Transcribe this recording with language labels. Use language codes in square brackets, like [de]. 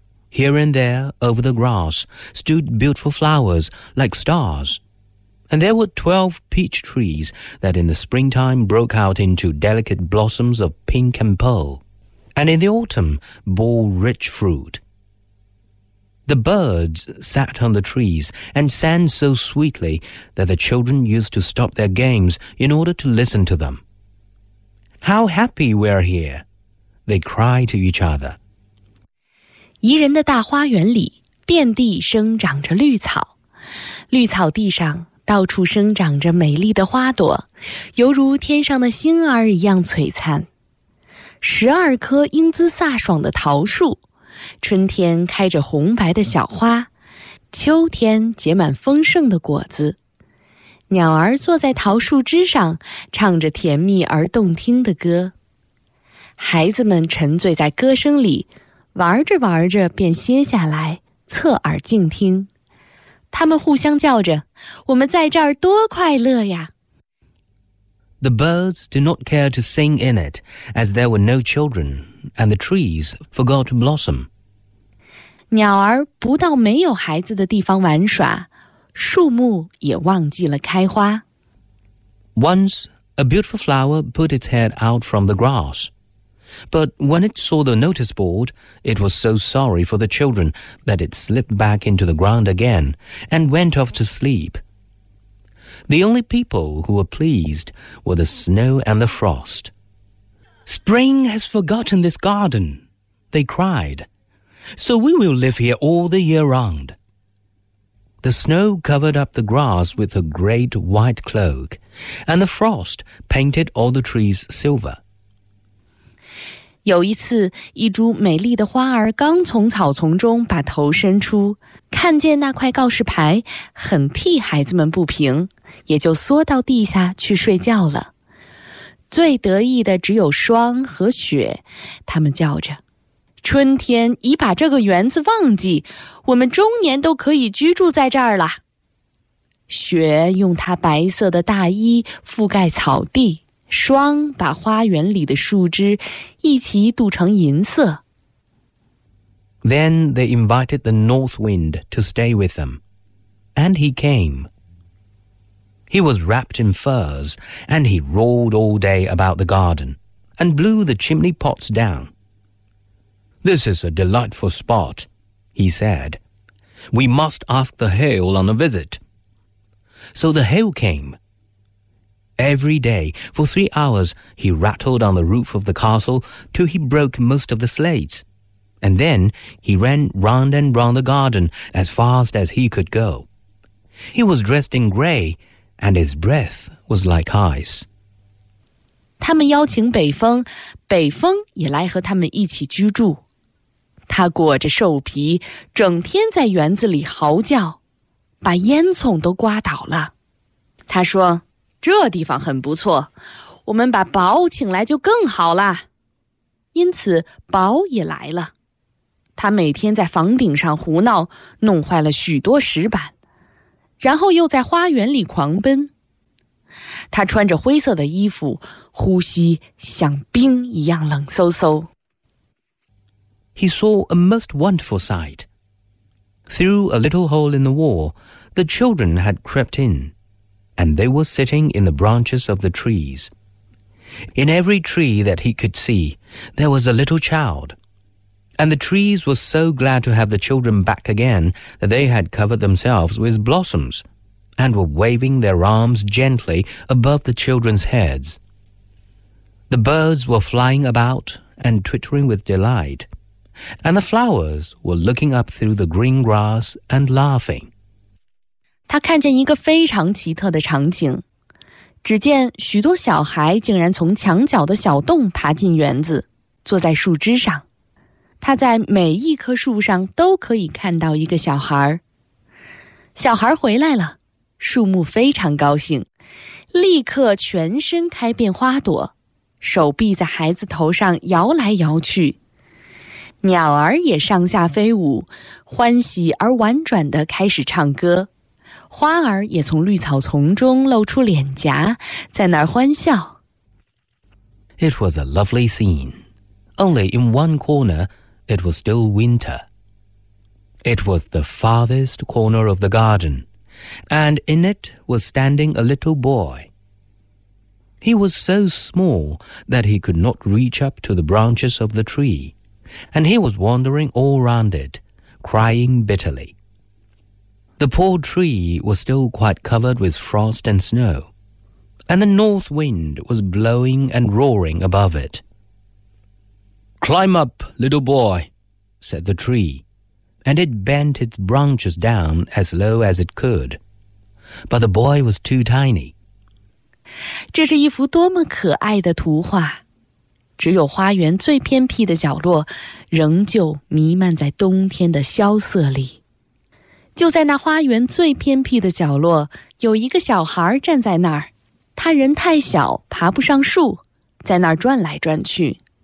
[en] Here and there over the grass stood beautiful flowers like starsAnd there were 12 peach trees that in the springtime broke out into delicate blossoms of pink and pearl, and in the autumn bore rich fruit. The birds sat on the trees and sang so sweetly that the children used to stop their games in order to listen to them. How happy we are here, they cry to each other. [zh] 宜人的大花园里遍地生长着绿草，绿草地上到处生长着美丽的花朵，犹如天上的星儿一样璀璨。十二棵英姿飒爽的桃树，春天开着红白的小花，秋天结满丰盛的果子。鸟儿坐在桃树枝上，唱着甜蜜而动听的歌。孩子们沉醉在歌声里，玩着玩着便歇下来，侧耳静听。他们互相叫着，我们在这儿多快乐呀。 [en] The birds did not care to sing in it, as there were no children, and the trees forgot to blossom. [zh] 鸟儿不到没有孩子的地方玩耍，树木也忘记了开花。 [en] Once, a beautiful flower put its head out from the grass. But when it saw the notice board, it was so sorry for the children that it slipped back into the ground again and went off to sleep. The only people who were pleased were the snow and the frost. Spring has forgotten this garden, they cried. So we will live here all the year round. The snow covered up the grass with a great white cloak, and the frost painted all the trees silver. [zh] 有一次，一株美丽的花儿刚从草丛中把头伸出，看见那块告示牌，很替孩子们不平，也就缩到地下去睡觉了。最得意的只有霜和雪，他们叫着，春天已把这个园子忘记，我们终年都可以居住在这儿了。雪用它白色的大衣覆盖草地，霜把花园里的树枝一起镀成银色。 [en] Then they invited the north wind to stay with them, and he came. He was wrapped in furs, and he roared all day about the garden, and blew the chimney pots down. This is a delightful spot, he said. We must ask the hail on a visit. So the hail came. Every day, for 3 hours, he rattled on the roof of the castle till he broke most of the slates. And then he ran round and round the garden as fast as he could go. He was dressed in grey, and his breath was like ice. [zh] 他们邀请北风，北风也来和他们一起居住。他裹着兽皮，整天在园子里嚎叫，把烟囱都刮倒了。他说，这地方很不错，我们把宝请来就更好了。因此宝也来了，他每天在房顶上胡闹，弄坏了许多石板，然后又在花园里狂奔。他穿着灰色的衣服，呼吸像冰一样冷飕飕。 [en] He saw a most wonderful sight. Through a little hole in the wall, the children had crept in, and they were sitting in the branches of the trees. In every tree that he could see, there was a little child. And the trees were so glad to have the children back again that they had covered themselves with blossoms and were waving their arms gently above the children's heads. The birds were flying about and twittering with delight, and the flowers were looking up through the green grass and laughing. [zh] 他看见一个非常奇特的场景。只见许多小孩竟然从墙角的小洞爬进园子，坐在树枝上。他在每一棵树上都可以看到一个小孩。小孩回来了，树木非常高兴，立刻全身开遍花朵，手臂在孩子头上摇来摇去。鸟儿也上下飞舞，欢喜而婉转地开始唱歌。花儿也从绿草丛中露出脸颊，在那儿欢笑。 [en] It was a lovely scene. Only in one corner,It was still winter. It was the farthest corner of the garden, and in it was standing a little boy. He was so small that he could not reach up to the branches of the tree, and he was wandering all round it, crying bitterly. The poor tree was still quite covered with frost and snow, and the north wind was blowing and roaring above it. Climb up, little boy, said the tree, and it bent its branches down as low as it could. But the boy was too tiny. [zh] 这是一幅多么可爱的图画。只有花园最偏僻的角落仍旧弥漫在冬天的萧瑟里。就在那花园最偏僻的角落，有一个小孩站在那儿，他人太小，爬不上树，在那儿转来转去。